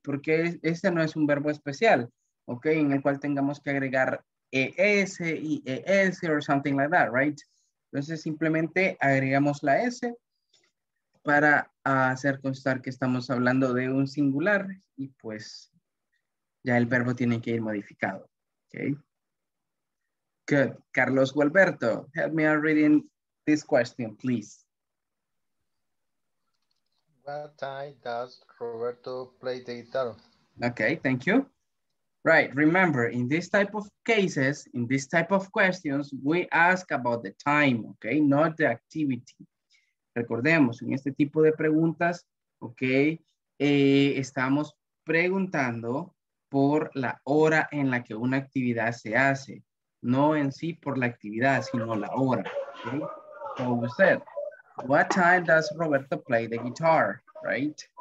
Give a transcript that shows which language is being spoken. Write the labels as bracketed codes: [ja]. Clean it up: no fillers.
[es] Porque este no es un verbo especial, okay, en el cual tengamos que agregar es y es [en] or something like that, right? [es] Entonces simplemente agregamos la s para hacer constar que estamos hablando de un singular y pues ya el verbo tiene que ir modificado. [en] Okay. Good. Carlos Gualberto, help me out reading this question, please. What time does Roberto play the guitar? Okay, thank you. Right, remember, in this type of cases, in this type of questions, we ask about the time, okay, not the activity. [es] Recordemos, en este tipo de preguntas, okay, estamos preguntando por la hora en la que una actividad se hace, no en sí por la actividad, sino la hora, okay? Como usted, [en] what time does Roberto play the guitar? Right.